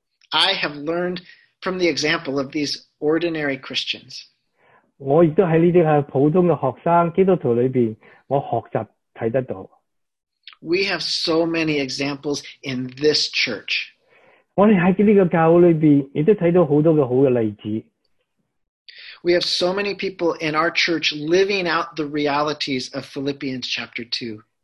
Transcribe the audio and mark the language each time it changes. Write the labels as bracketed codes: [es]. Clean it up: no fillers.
[en] I have learned from the example of these ordinary Christians. [yue] 我亦都喺呢啲普通嘅學生基督徒裏面，我學習睇得到。 [en] We have so many examples in this church. [yue] 我哋喺呢個教會裏面，亦都睇到好多嘅好嘅例子。 [en] We have so many people in our church living out the realities of Philippians chapter 2.